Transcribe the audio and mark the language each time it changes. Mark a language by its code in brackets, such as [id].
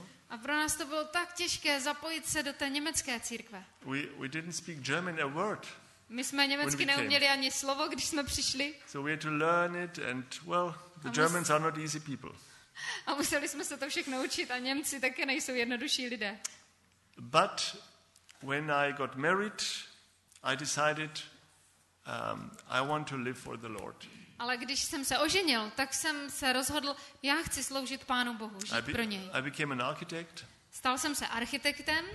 [cs] A pro nás to bylo tak těžké zapojit se do té německé církve. [en] We didn't speak German a word. [cs] My jsme německy neuměli ani slovo, když jsme přišli. [en] So we had to learn it and well, the Germans are not easy people. [cs] A museli jsme se to všechno učit a Němci také nejsou jednodušší lidé. [en] But when I got married, I decided I want to live for the Lord. [cs] Ale když jsem se oženil, tak jsem se rozhodl, já chci sloužit Pánu Bohu, žít pro něj. [en] I became an architect. [cs] Stal jsem se architektem.